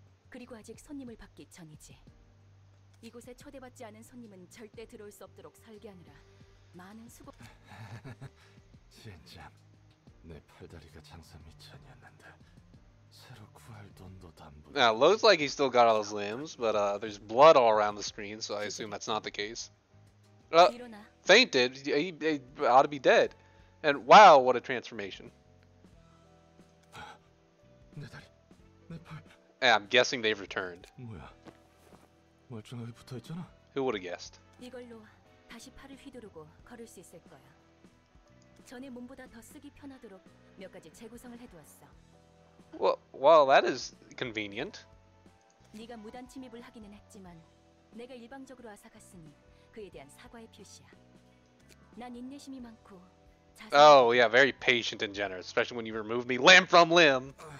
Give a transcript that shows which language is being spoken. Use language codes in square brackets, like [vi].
[ko] 그리고 아직 손님을 받기 전이지. 이곳에 초대받지 않은 손님은 절대 들어올 수 없도록 설계하느라 많은 수고. 진짜 내 팔다리가 장사 미천이었는데 새로 구할 돈도 담보. [en] Now looks like he still got all his limbs, but there's blood all around the screen, so I assume that's not the case. Fainted. He ought to be dead. And wow, what a transformation. Hey, I'm guessing they've returned. [ko] 뭐야? 멀쩡하게 붙어 있잖아. [en] Who would have guessed? [ko] 이걸로 다시 팔을 휘두르고 걸을 수 있을 거야. 전에 몸보다 더 쓰기 편하도록 몇 가지 재구성을 해두었어. [en] Well, that is convenient. [ko] 네가 무단 침입을 하기는 했지만 내가 일방적으로 아사갔으니 그에 대한 사과의 표시야. 난 인내심이 많고. [en] Oh yeah, very patient and generous, especially when you remove me limb from limb.